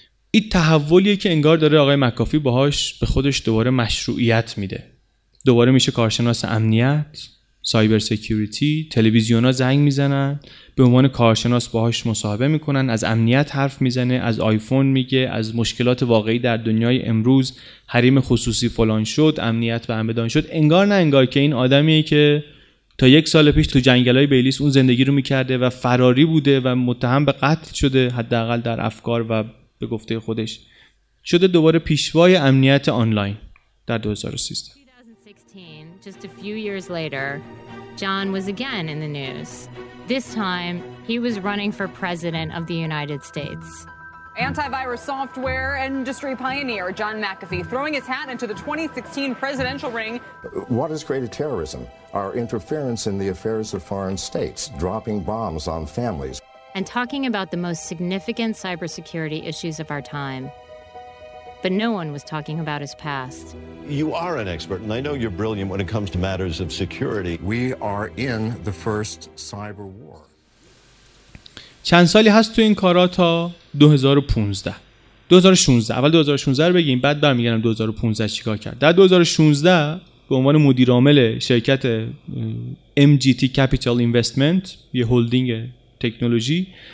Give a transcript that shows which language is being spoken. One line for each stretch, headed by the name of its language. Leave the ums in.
Persian: این تحولیه که انگار داره آقای مکافی باهاش به خودش دوباره مشروعیت میده دوباره میشه کارشناس امنیت سایبر سکیوریتی تلویزیون زنگ میزنن به عنوان کارشناس باهاش مصاحبه میکنن از امنیت حرف میزنه از آیفون میگه از مشکلات واقعی در دنیای امروز حریم خصوصی فلان شد امنیت به امدان شد انگار نه انگار که این آدمیه که تا یک سال پیش تو جنگلای بیلیس اون زندگی رو میکرده و فراری بوده و متهم به قتل شده حداقل در افکار و به گفته خودش شده دوباره پیشوای امنیت آنلاین در 2013
English: just a few years later, John was again in the news. This time, he was running for president of the United States. Antivirus software industry pioneer John McAfee throwing his hat into the 2016 presidential ring. What has created terrorism? Our interference in the affairs of foreign states, dropping bombs on families. And talking about the most significant cybersecurity issues of our time. but no one was talking about his past. You are an expert, and I know you're brilliant when it comes to matters of security. We are in the first cyber war.
Persian: چند سالی هست تو این کارا تا 2015 2016 اول 2016 رو بگیم بعد بر میگم 2015 چیکار کرد در 2016 به عنوان مدیر عامل شرکت MGT Capital Investment یه هلدینگ تکنولوژی